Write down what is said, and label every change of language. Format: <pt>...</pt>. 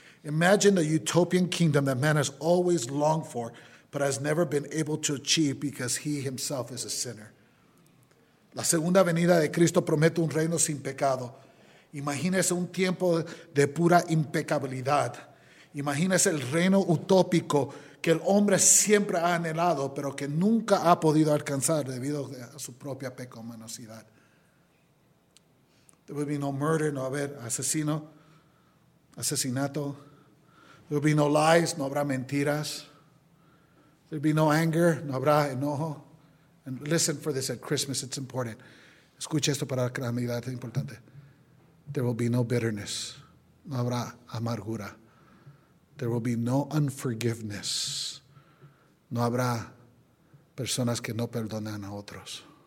<en>Imagine the utopian kingdom that man has always longed for but has never been able to achieve because he himself is a sinner.</en> <es>La segunda venida de Cristo promete un reino sin pecado. Imagínese un tiempo de pura impecabilidad. Imagínese el reino utópico que el hombre siempre ha anhelado pero que nunca ha podido alcanzar debido a su propia pecaminosidad.</es> <en>There will be no murder,</en> <es>no haber asesino, asesinato.</es> <en>There will be no lies,</en> <es>no habrá mentiras.</es> <en>There will be no anger,</en> <es>no habrá enojo.</es> <en>And listen for this at Christmas, it's important.</en> <es>Escuche esto para la Navidad, es importante.</es> <en>There will be no bitterness,</en> <es>no habrá amargura.</es> <en>There will be no unforgiveness.</en> <es>No habrá personas que no perdonan a otros.</es>